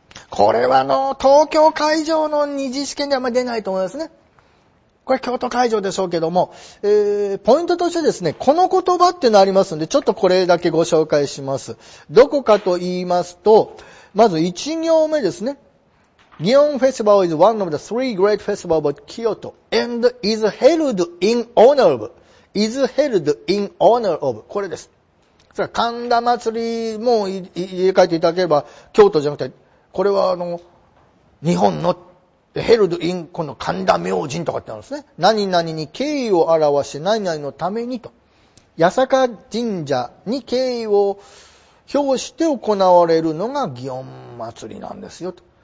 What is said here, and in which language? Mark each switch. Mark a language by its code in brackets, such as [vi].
[ja] これは東京会場の二次試験ではあんま出ないと思いますね。これ京都会場でしょうけども、ポイントとしてですね、この言葉ってのありますんで、ちょっとこれだけご紹介します。どこかと言いますと、まず1行目ですね。 [en] Gion Festival is one of the three great festivals of Kyoto and is held in honor of. Is held in honor of. [ja] これです。それは神田祭りも入れ替えていただければ、京都じゃなくて、これは日本のヘルドインこの神田明神とかってあるんですね。何々に敬意を表して何々のためにと。八坂神社に敬意を表して行われるのが祇園祭りなんですよと。